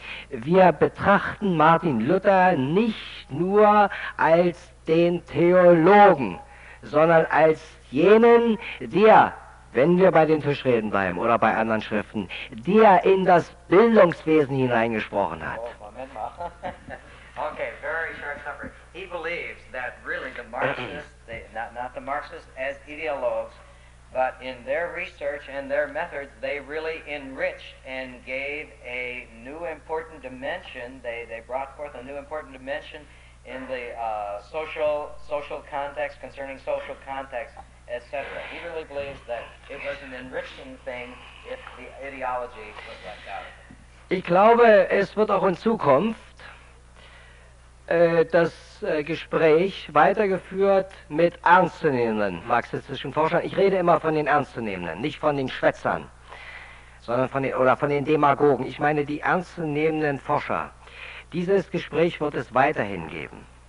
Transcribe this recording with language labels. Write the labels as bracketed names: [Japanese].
[German] Wir betrachten Martin Luther nicht nur als den Theologen, sondern als jenen, der, wenn wir bei den Tischreden bleiben oder bei anderen Schriften, der in das Bildungswesen hineingesprochen hat. [English] Oh, [German] Moment mal. [English] Okay, very short summary. He believes that really the Marxists, not the Marxists as ideologues, but in their research and their methods, they really enriched and gave a new important dimension. They brought forth a new important dimension in the social context, concerning social context, etc. He really believes that it was an enriching thing if the ideology was left out of it. [German] Ich glaube, es wird auch in Zukunft das Gespräch weitergeführt mit ernstzunehmenden marxistischen Forschern. Ich rede immer von den Ernstzunehmenden, nicht von den Schwätzern, sondern von den, oder von den Demagogen. Ich meine die ernstzunehmenden Forscher. Dieses Gespräch wird es weiterhin geben.